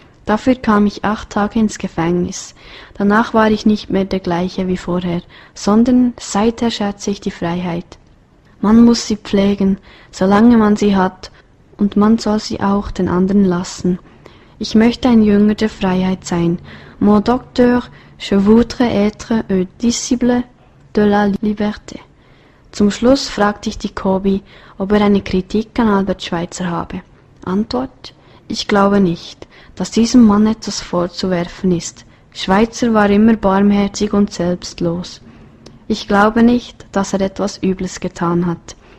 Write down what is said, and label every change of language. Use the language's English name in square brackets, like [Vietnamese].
[German] Dafür kam ich 8 Tage ins Gefängnis. Danach war ich nicht mehr der gleiche wie vorher, sondern seither schätze ich die Freiheit. Man muss sie pflegen, solange man sie hat, und man soll sie auch den anderen lassen. Ich möchte ein Jünger der Freiheit sein. [French] Mon docteur, je voudrais être un disciple de la liberté. [German] Zum Schluss fragte ich die Kobi, ob er eine Kritik an Albert Schweitzer habe. Antwort: Ich glaube nicht, dass diesem Mann etwas vorzuwerfen ist. Schweizer war immer barmherzig und selbstlos. Ich glaube nicht, dass er etwas Übles getan hat.